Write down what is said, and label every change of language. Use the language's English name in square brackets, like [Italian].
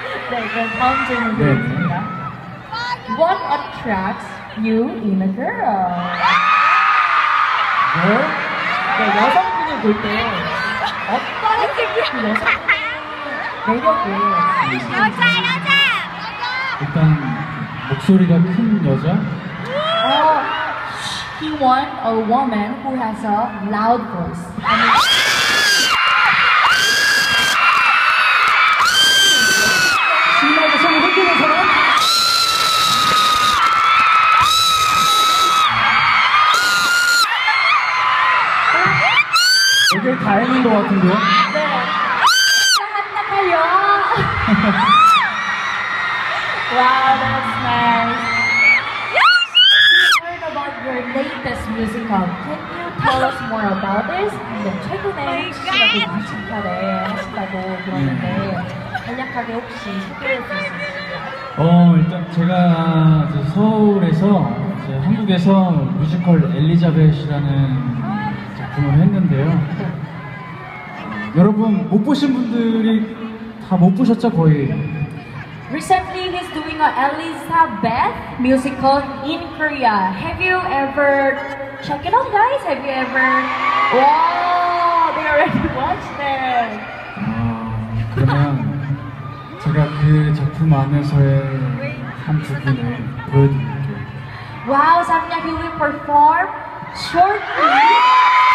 [Korean] 네, 그럼 다음 질문 드리겠습니다. [English] What attracts you in a girl? [Korean] 네, 여성분을 볼 때 어떤 여성분의 매력을 여자! 일단 목소리가 큰 여자. [English] He want a woman who has a loud voice. I [Korean] mean, 이게 다 있는 것 같은데요? 네. 한나가요. [English] Wow, that's nice. We heard about your latest musical. Can you tell us more about this? [Korean] 최근에 시작을 마친다고 들었는데 간략하게 혹시 소개해 주실 수 있나요? 일단 제가 서울에서 한국에서 뮤지컬 엘리자벳이라는 작품을 했는데요. 여러분 못 보신 분들이 다 못 보셨죠 거의? [English] Recently, he's doing an Elizabeth musical in Korea. Have you ever check it out, guys? Have you ever? Wow, they already watched it. [Korean] 그러면 제가 그 작품 안에서의 한 부분을 보여드릴게요. [English] Wow, Samyang, he will perform shortly.